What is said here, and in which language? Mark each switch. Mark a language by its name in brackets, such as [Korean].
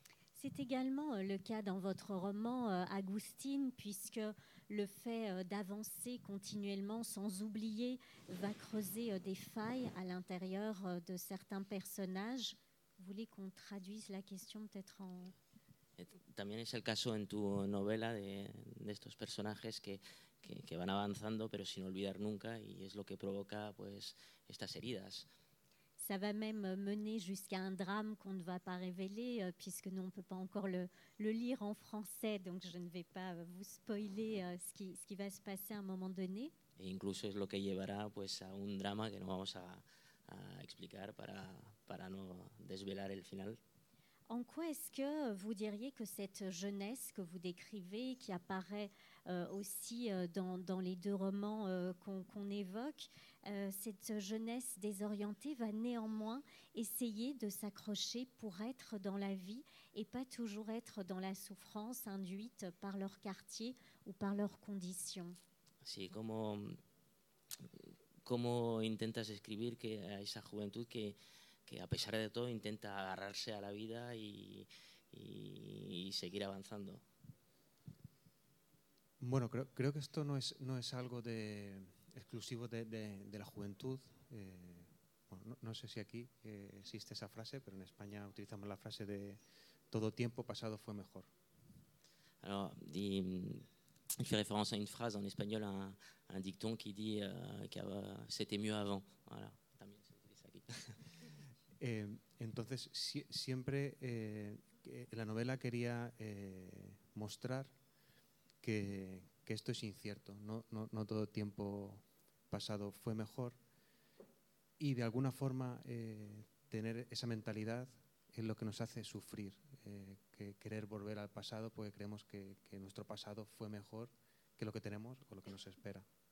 [French] C'est également le cas dans votre roman, Agustine, puisque le fait d'avancer continuellement sans oublier va creuser des failles à l'intérieur de certains personnages. Vous voulez qu'on traduise la question peut-être en... [Spanish] También es el caso en tu novela de estos personajes que van avanzando pero sin olvidar nunca y es lo que provoca pues estas heridas. [French] Ça va même mener jusqu'à un drame qu'on ne va pas révéler, puisque nous, on ne peut pas encore le lire en français. Donc, je ne vais pas vous spoiler ce qui va se passer à un moment donné. [Spanish] Et incluso es lo que llevará pues, a un drama que no vamos a explicar para no desvelar el final. [French] En quoi est-ce que vous diriez que cette jeunesse que vous décrivez, qui apparaît aussi dans les deux romans qu'on évoque, cette jeunesse désorientée va néanmoins essayer de s'accrocher pour être dans la vie et pas toujours être dans la souffrance induite par leur quartier ou par leurs conditions. [Spanish] Sí, como intentas escribir que esa juventud que a pesar de todo intenta agarrarse a la vida y seguir avanzando. Bueno, creo que esto no es algo de exclusivo de la juventud. Bueno, no sé si aquí existe esa frase, pero en España utilizamos la frase de todo tiempo pasado fue mejor. [French] Alors, il fait référence à une phrase en espagnol, un dicton qui dit que c'était mieux avant. [Spanish] Voilà, también se utiliza aquí. Entonces, siempre en la novela quería mostrar que esto es incierto, no todo tiempo pasado fue mejor, y de alguna forma tener esa mentalidad es lo que nos hace sufrir, que querer volver al pasado porque creemos que nuestro pasado fue mejor que lo que tenemos o lo que nos espera.